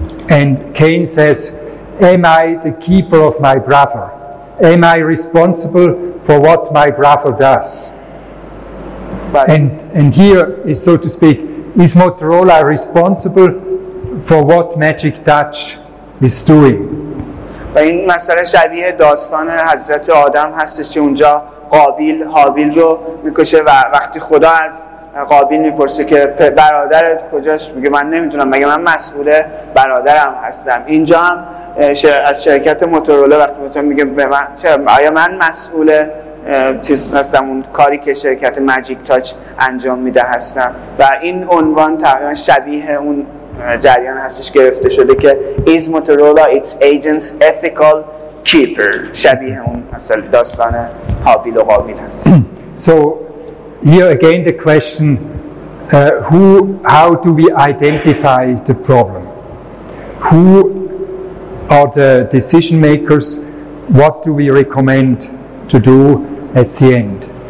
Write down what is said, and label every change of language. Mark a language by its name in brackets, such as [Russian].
[English] And Cain says, "Am I the keeper of my brother? Am I responsible for what my brother does?" Right. And here is, so to speak, is Motorola responsible for what Magic Dutch is doing? [Persian] و این مسئله شبیه داستان حضرت آدم هستش که اونجا قابیل حابیل رو میکشه و وقتی خدا از قابیل میپرسه که برادرت کجاش، میگه من نمیدونم، مگه من مسئول برادرم هستم. اینجا هم از شرکت موتورولا وقتی میگه آیا من مسئول چیز هستم، اون کاری که شرکت ماجیک تاچ انجام میده هستم، و این عنوان تقریبا شبیه اون جریان هستش گرفته شده که [English] is Motorola its agents ethical keeper، [Persian] شبیه اون اصل داستان حابیل و قابیل هست. [English] So here again the question, how do we identify the problem, who are the decision makers, what do we recommend to do at the end?